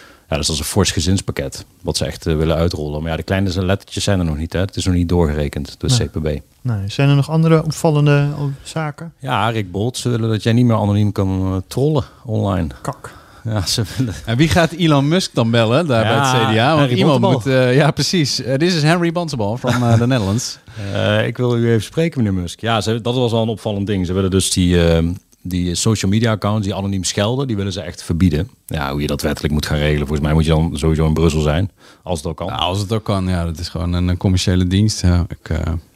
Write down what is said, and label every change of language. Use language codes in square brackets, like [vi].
[nl] Ja, dus dat is een fors gezinspakket wat ze echt willen uitrollen. Maar ja, de kleine lettertjes zijn er nog niet. Hè? Het is nog niet doorgerekend door het CPB. Nee. Zijn er nog andere opvallende zaken? Ja, Rick Bolt. Ze willen dat jij niet meer anoniem kan trollen online. Kak. Ja, ze willen. En wie gaat Elon Musk dan bellen daar bij het CDA? Want iemand moet, ja, precies. [en] This is Henry Bontebal from the Netherlands. [nl] Ik wil u even spreken, meneer Musk. Ja, dat was al een opvallend ding. Ze willen dus die social media accounts, die anoniem schelden, die willen ze echt verbieden. Ja, hoe je dat wettelijk moet gaan regelen. Volgens mij moet je dan sowieso in Brussel zijn, als het ook kan. Ja, als het ook kan, ja. Dat is gewoon een commerciële dienst. Ja,